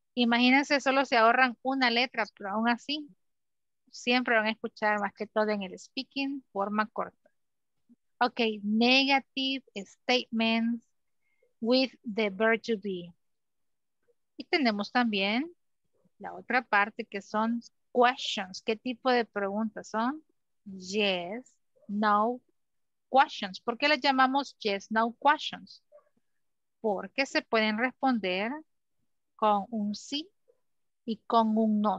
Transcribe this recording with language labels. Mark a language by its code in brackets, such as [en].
[es] Imagínense, solo se ahorran una letra, pero aún así, siempre van a escuchar más que todo en el speaking, forma corta. [en] Ok, negative statements with the verb to be. [es] Y tenemos también la otra parte que son questions. ¿Qué tipo de preguntas son? [en] Yes, no questions. [es] ¿Por qué las llamamos [en] yes, no questions? [es] Porque se pueden responder con un sí y con un no.